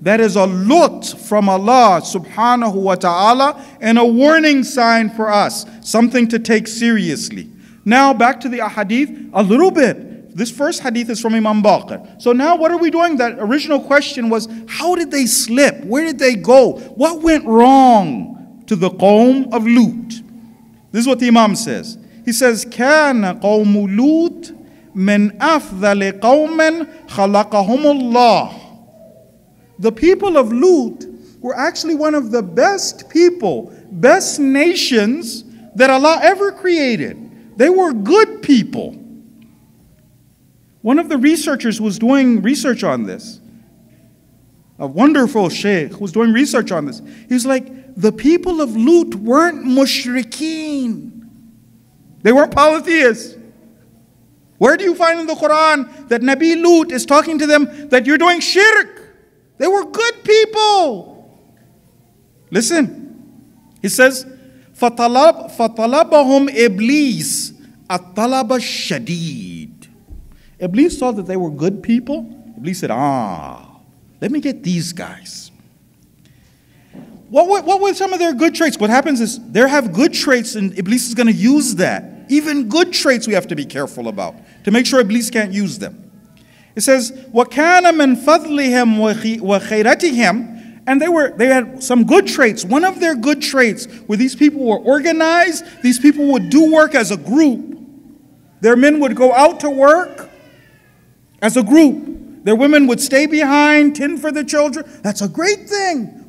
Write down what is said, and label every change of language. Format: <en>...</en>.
<en>That is a lut from Allah subhanahu wa ta'ala and a warning sign for us, something to take seriously. Now back to the ahadith, a little bit. This first hadith is from Imam Baqir. So now what are we doing? That original question was, how did they slip? Where did they go? What went wrong to the qawm of Lut? This is what the Imam says. He says,</en> <ar>كَانَ قَوْمُ Lut مِنْ أَفْذَلِ قَوْمٍ خَلَقَهُمُ اللَّهُ.</ar> <en>The people of Lut were actually one of the best people, best nations that Allah ever created. They were good people. One of the researchers was doing research on this. A wonderful sheikh was doing research on this. He was like, the people of Lut weren't mushrikeen. They weren't polytheists. Where do you find in the Quran that Nabi Lut is talking to them that you're doing shirk? They were good people. Listen. He says,</en> <ar>فَطَلَبَهُمْ إِبْلِيسِ أَطَلَبَ الشَّدِيدِ.</ar> <en>Iblis saw that they were good people. Iblis said, let me get these guys. What were some of their good traits? What happens is they have good traits and Iblis is going to use that. Even good traits we have to be careful about to make sure Iblis can't use them. It says,</en> <ar>وَكَانَ مِنْ فَضْلِهِمْ وَخَيْرَتِهِمْ.</ar> <en>And they had some good traits. One of their good traits were these people were organized. These people would do work as a group. Their men would go out to work as a group. Their women would stay behind, tend for the children. That's a great thing.</en>